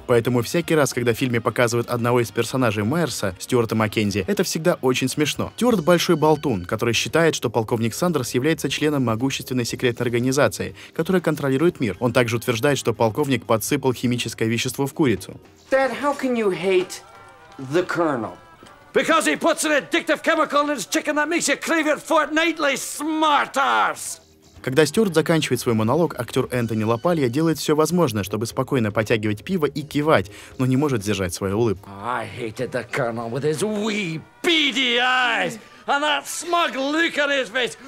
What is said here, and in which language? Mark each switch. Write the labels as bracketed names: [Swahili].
[Russian] Поэтому всякий раз, когда в фильме показывают одного из персонажей Майерса, Стюарта Маккензи, это всегда очень смешно. Стюарт – большой болтун, который считает, что полковник Сандерс является членом могущественной секретной организации, которая контролирует мир. Он также утверждает, что полковник подсыпал химическое вещество в курицу. [English] Dad, how can you hate... The Colonel. Because he puts an addictive chemical in his chicken that makes you crave it fortnightly, smart ass! [Russian] Когда Стюарт заканчивает свой монолог, актер Энтони Лапалья делает все возможное, чтобы спокойно потягивать пиво и кивать, но не может сдержать свою улыбку. [English] I hated the Colonel with his wee beady eyes and that smug look on his face.